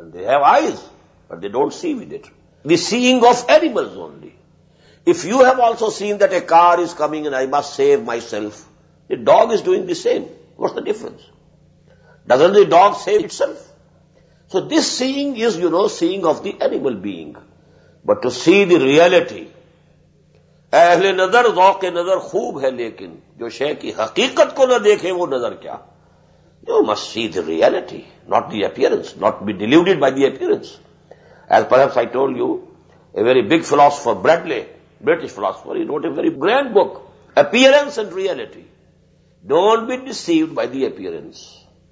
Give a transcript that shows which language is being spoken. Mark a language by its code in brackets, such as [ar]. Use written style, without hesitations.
[en] And they have eyes, but they don't see with it. The seeing of animals only. If you have also seen that a car is coming and I must save myself, the dog is doing the same. What's the difference? Doesn't the dog save itself? So this seeing is, you know, seeing of the animal being. But to see the reality, [ur] اَهْلِ نَذَرْ ذَوْقِ نَذَرْ خُوب ہے لیکن جو شے کی حقیقت کو نہ دیکھیں وہ نظر کیا. [en] You must see the reality, not the appearance, not be deluded by the appearance. As perhaps I told you, a very big philosopher, Bradley, British philosopher, he wrote a very grand book, Appearance and Reality. Don't be deceived by the appearance.